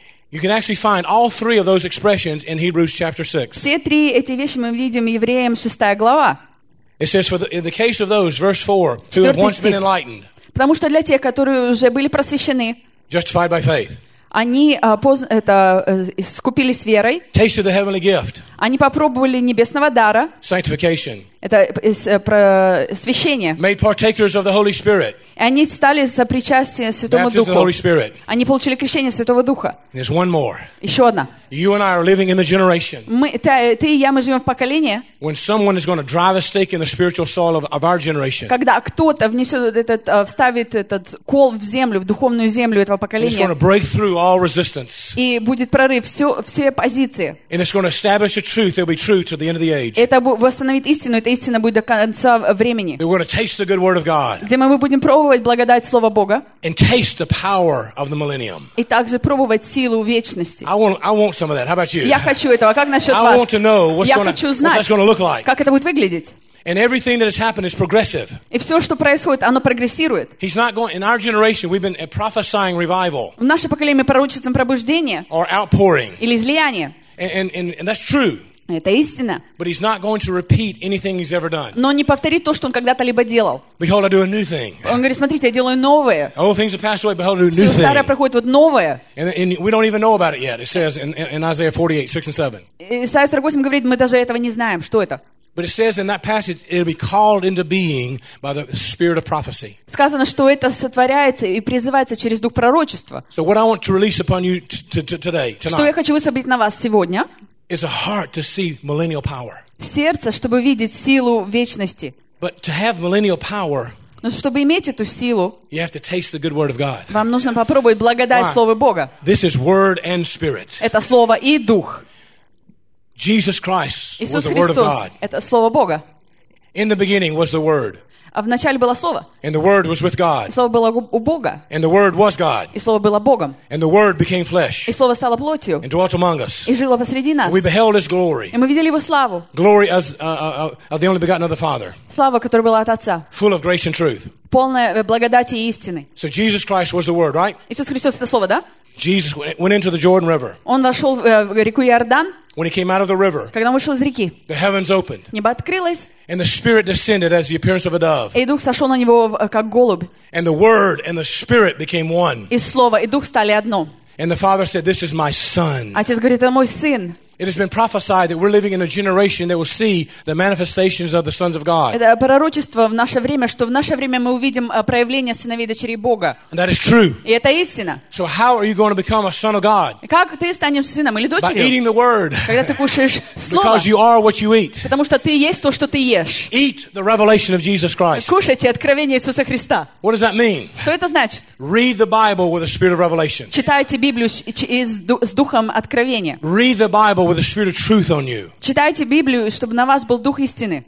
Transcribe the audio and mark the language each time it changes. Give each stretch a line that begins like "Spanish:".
English: You can actually find all three of those expressions in Hebrews chapter 6.
Russian: Все три эти вещи мы видим в Евреям 6 глава.
English: It says, for in the case of those, verse 4, who have once been enlightened.
Russian: Потому что для тех, которые уже были просвещены.
English: Justified by faith.
Russian: Они искупились верой.
English: Taste of the heavenly gift.
Russian: Они попробовали небесного дара.
English: Sanctification.
Russian: Это просвещение.
English: Made partakers of the Holy Spirit.
Russian: И они стали сопричастием Святого
English: Духа. Baptism of the Holy Spirit.
Russian: Они получили крещение Святого Духа.
English: There's one more.
Russian: Еще одна.
English: You and I are living in the generation.
Russian: Ты и я, мы живем в поколении.
English: When someone is going to drive a stake in the spiritual soil of our generation.
Russian: Когда кто-то вставит этот кол в землю, в духовную землю этого поколения.
English: It's going to break through all resistance.
Russian: И будет прорыв все позиции.
English: And it's going to establish a truth that will be true to the end of the age.
Russian: Это восстановит истину, эта истина будет до конца времени.
English: We're going to taste the good word of God.
Russian: Где мы будем пробовать благодать слова Бога.
English: And taste the power of the millennium.
Russian: И также пробовать силу вечности.
English: I want some of that. How about you?
Russian: Я хочу этого. Как насчет вас?
English: I want to know what's going to look like.
Russian: Как это будет выглядеть?
English: And everything that has happened is progressive.
Russian: И все, что происходит, оно прогрессирует.
English: He's not going. In our generation, we've been prophesying revival.
Russian: В наше поколение мы пророчествуем пробуждение.
English: Or outpouring.
Russian: Или излияние.
English: And that's true.
Russian: Это истина.
English: But he's not going to repeat anything he's ever done.
Russian: Но он не повторит то, что он когда-то либо делал.
English: Behold, I do a new thing.
Russian: Он говорит, смотрите, я делаю новое.
English: All things have passed away, behold, I do a new thing.
Russian: Все старое проходит, вот новое.
English: And we don't even know about it yet. It says in Isaiah 48:6-7.
Russian: Исайя 48 говорит, мы даже этого не знаем, что это.
English: But it says in that passage, it'll be called into being by the spirit of prophecy.
Russian: Сказано, что это сотворяется и призывается через дух пророчества.
English: So what I want to release upon you today, tonight.
Russian: Что я хочу высвободить на вас сегодня?
English: Is a heart to see millennial power.
Russian: Сердце, чтобы видеть силу вечности.
English: But to have millennial power,
Russian: но чтобы иметь эту силу,
English: you have to taste the good word of God.
Russian: Вам нужно попробовать благодать слова Бога.
English: This is word and spirit.
Russian: Это слово и дух.
English: Jesus Christ was
Russian: Иисус
English: the word
Russian: Христос
English: of God.
Russian: Это слово Бога.
English: In the beginning was the word.
Russian: А в начале было слово.
English: And the word was with God.
Russian: И слово было у Бога.
English: And the word was God.
Russian: И слово было Богом.
English: And the word became flesh.
Russian: И слово стало плотью.
English: And dwelt among us.
Russian: И жило посреди нас.
English: We beheld his glory.
Russian: И мы видели его славу.
English: Glory as of the only begotten of the Father.
Russian: Слава, которая была от Отца.
English: Full of grace and truth.
Russian: Полная благодати и истины.
English: So Jesus Christ was the word, right?
Russian: Иисус Христос это слово, да?
English: Jesus went into the Jordan River.
Russian: Он вошел в реку Иордан.
English: When he came out of the river,
Russian: когда он вышел из реки,
English: the heavens opened,
Russian: небо открылось,
English: and the Spirit descended as the appearance of a dove.
Russian: И дух сошел на него как голубь.
English: And the Word and the Spirit became one.
Russian: И слово и дух стали одно.
English: And the Father said, "This is my Son."
Russian: Отец говорит, это мой сын.
English: It has been prophesied that we're living in a generation that will see the manifestations of the sons of God.
Russian: Это пророчество в наше время, что в наше время мы увидим проявление сыновей и дочерей Бога.
English: And that is true.
Russian: И это истина.
English: So how are you going to become a son of God?
Russian: Как ты станешь сыном или дочерью?
English: By eating the word.
Russian: Когда ты кушаешь слово.
English: Because you are what you eat.
Russian: Потому что ты есть то, что ты ешь.
English: Eat the revelation of Jesus Christ.
Russian: Кушайте откровение Иисуса Христа.
English: What does that mean?
Russian: Что это значит?
English: Read the Bible with the spirit of revelation.
Russian: Читайте Библию с духом откровения.
English: Read the Bible with the spirit of truth on you.
Russian: Читайте Библию, чтобы на вас был дух истины.